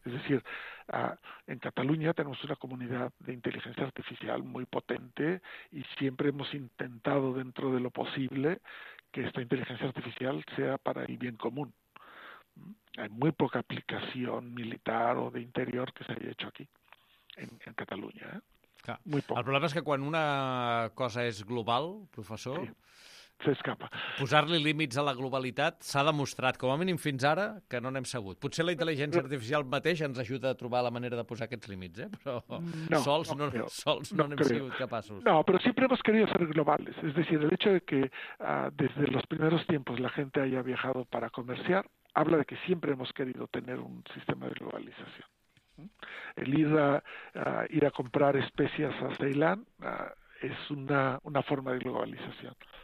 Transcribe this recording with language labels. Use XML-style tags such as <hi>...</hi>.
<es>Es decir, en Cataluña tenemos una comunidad de inteligencia artificial muy potente y siempre hemos intentado dentro de lo posible que esta inteligencia artificial sea para el bien común. Hay muy poca aplicación militar o de interior que se haya hecho aquí.</es> <ca>En Catalunya, eh? Clar.</ca> <es>Muy poco.</es> <ca>El problema és que quan una cosa és global, professor... Sí. S'escapa. Posar-li límits a la globalitat s'ha demostrat, com a mínim fins ara, que no n'hem sabut. Potser la intel·ligència artificial mateix ens ajuda a trobar la manera de posar aquests límits, eh? Però sols no n'hem sigut capaços. No, però sempre</ca> <es>hemos querido ser globales. Es decir, el hecho de que desde los primeros tiempos la gente haya viajado para comerciar habla de que siempre hemos querido tener un sistema de globalización. El ir a comprar especias a Ceilán es una forma de globalización.</es>